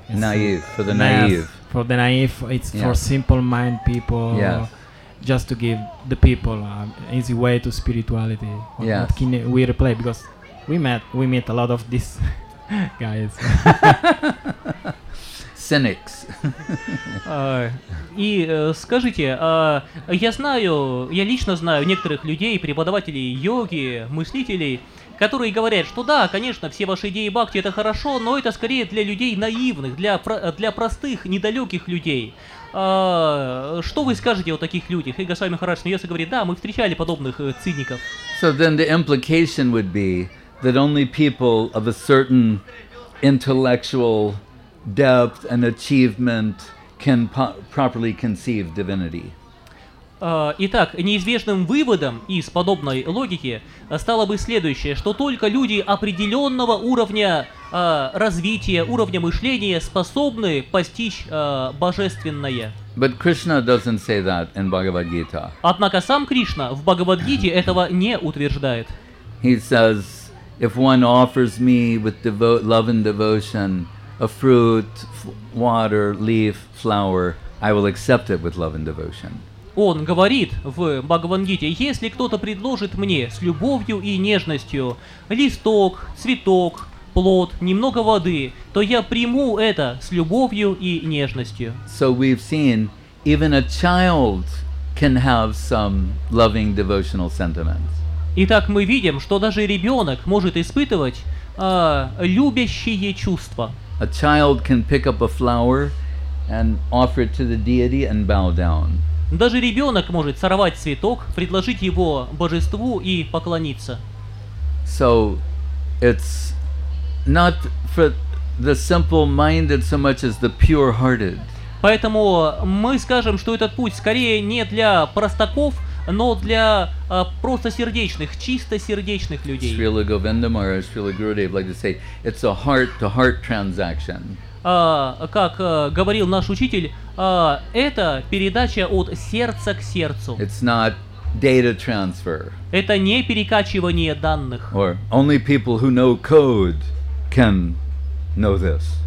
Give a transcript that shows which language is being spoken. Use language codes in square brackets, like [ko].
[en] It's naive for the naive. For the naive, it's yes. For simple mind people. Yes. Just to give the people an easy way to spirituality. Yes. What can we replay? Because we meet a lot of these guys. Cynics. [ru] И скажите, я знаю, я лично знаю некоторых людей, преподавателей йоги, мыслителей, которые говорят, что да, конечно, все ваши идеи бхакти это хорошо, но это скорее для людей наивных, для простых, недалеких людей. Что вы скажете о таких людях? И Госвами Махарадж смеется и говорит, да, мы встречали подобных циников. [en] So then the implication would be that only people of a certain intellectual depth and achievement can properly conceive divinity. [ru] Итак, неизбежным выводом из подобной логики стало бы следующее, что только люди определенного уровня развития, уровня мышления способны постичь божественное. [en] But Krishna doesn't say that in Bhagavad Gita. [ru] Однако сам Кришна в Бхагавад-гите этого не утверждает. [en] He says, if one offers me with love and devotion a fruit, water, leaf, flower, I will accept it with love and devotion. [ru] Он говорит в Бхагавад-гите: «Если кто-то предложит мне с любовью и нежностью листок, цветок, плод, немного воды, то я приму это с любовью и нежностью». [en] So we've seen even a child can have some loving devotional sentiments. [ru] Итак, мы видим, что даже ребенок может испытывать любящие чувства. [en] A child can pick up a flower and offer it to the deity and bow down. [ru] Даже ребенок может сорвать цветок, предложить его божеству и поклониться. [en] So it's not for the simple-minded so much as the pure-hearted. [ru] Поэтому мы скажем, что этот путь скорее не для простаков, но для простосердечных, чистосердечных людей. [en] Srila Govinda Maharaj, Srila Gurudev like to say, it's a heart-to-heart transaction. [ru] Как говорил наш учитель, это передача от сердца к сердцу. [en] It's not data transfer. [ru] Это не перекачивание данных. [en] Or only people who know code can know this.